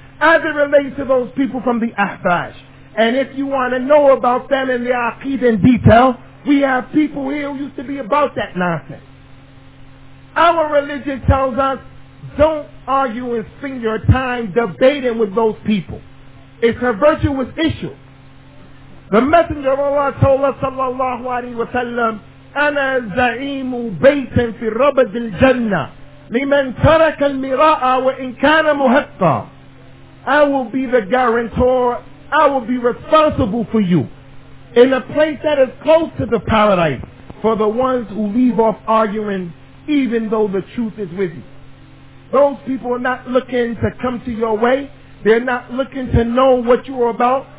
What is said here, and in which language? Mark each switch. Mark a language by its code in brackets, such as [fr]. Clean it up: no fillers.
[en] As it relates to those people from the Ahbash, and if you want to know about them and their aqid in detail, we have people here who used to be about that nonsense. Our religion tells us, don't argue and spend your time debating with those people. It's a virtuous issue. The Messenger of Allah told us, sallallahu alayhi wa sallam, [ar] أَنَا زَعِيمُ بَيْتٍ فِي رَبَدِ الْجَنَّةِ لِمَنْ تَرَكَ الْمِرَاءَ وَإِنْ كَانَ مُهَقَّى. [en] I will be the guarantor, I will be responsible for you in a place that is close to the paradise for the ones who leave off arguing even though the truth is with you. Those people are not looking to come to your way. They're not looking to know what you are about.